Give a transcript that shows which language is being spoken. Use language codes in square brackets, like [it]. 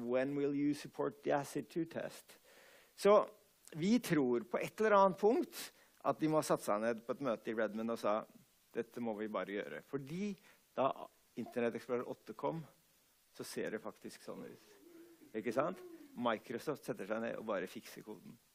[en] When will you support the ACID II test? [no] Så vi tror på et eller annet punkt, at de må ha satt seg ned på et møte i Redmond og sa, dette må vi bare gjøre. Fordi da Internet Explorer 8 kom, så ser det faktisk sånn ut. Ikke sant? Microsoft setter seg ned og bare fikser koden.